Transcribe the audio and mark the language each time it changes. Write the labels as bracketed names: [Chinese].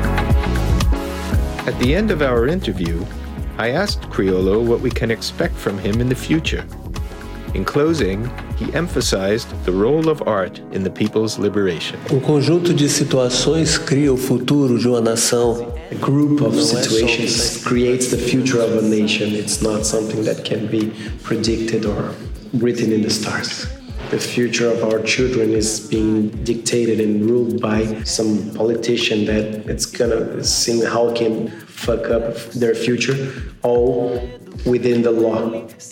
[English] At the end of our interview, I asked Criollo what we can expect from him in the future. In closing, he emphasized the role of art in the people's liberation. [Portuguese] Um conjunto de situações cria o futuro de uma nação. [English] A group of situations creates the future of a nation. It's not something that can be predicted or written in the stars. The future of our children is being dictated and ruled by some politician that it's gonna see how it can fuck up their future, all within the law.